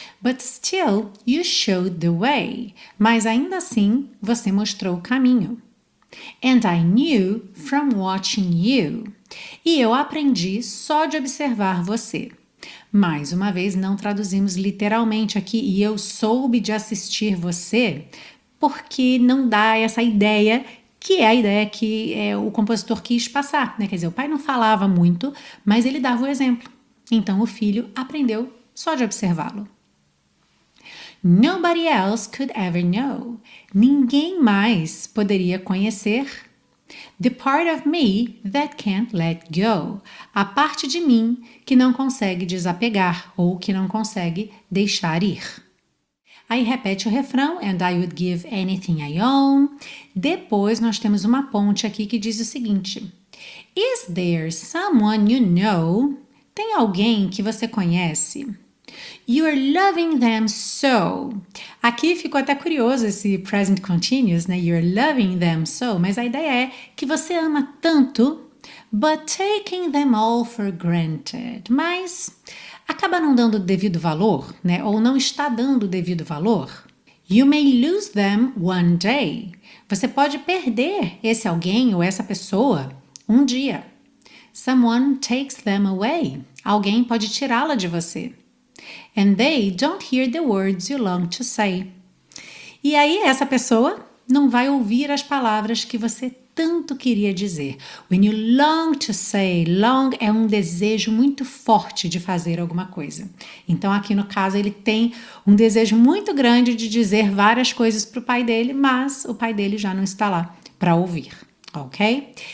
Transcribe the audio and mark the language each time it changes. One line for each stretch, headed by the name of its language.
English: But still, you showed the way.
Portuguese: Mas ainda assim, você mostrou o caminho.
English: And I knew from watching you.
Portuguese: E eu aprendi só de observar você. Mais uma vez, não traduzimos literalmente aqui, e eu soube de assistir você, porque não dá essa ideia que é a ideia que o compositor quis passar, né? Quer dizer, o pai não falava muito, mas ele dava o exemplo. Então, o filho aprendeu só de observá-lo.
English: Nobody else could ever know.
Portuguese: Ninguém mais poderia conhecer.
English: The part of me that can't let go.
Portuguese: A parte de mim que não consegue desapegar ou que não consegue deixar ir. Aí repete o refrão,
English: and I would give anything I own.
Portuguese: Depois nós temos uma ponte aqui que diz o seguinte.
English: Is there someone you know?
Portuguese: Tem alguém que você conhece?
English: You're loving them so.
Portuguese: Aqui ficou até curioso esse present continuous, né?
English: You're loving them so.
Portuguese: Mas a ideia é que você ama tanto,
English: but taking them all for granted.
Portuguese: Mas acaba não dando o devido valor, né? Ou não está dando o devido valor.
English: You may lose them one day.
Portuguese: Você pode perder esse alguém ou essa pessoa um dia.
English: Someone takes them away.
Portuguese: Alguém pode tirá-la de você.
English: And they don't hear the words you long to say.
Portuguese: E aí essa pessoa não vai ouvir as palavras que você tanto queria dizer.
English: When you long to say,
Portuguese: long é um desejo muito forte de fazer alguma coisa. Então aqui no caso ele tem um desejo muito grande de dizer várias coisas para o pai dele, mas o pai dele já não está lá para ouvir, ok?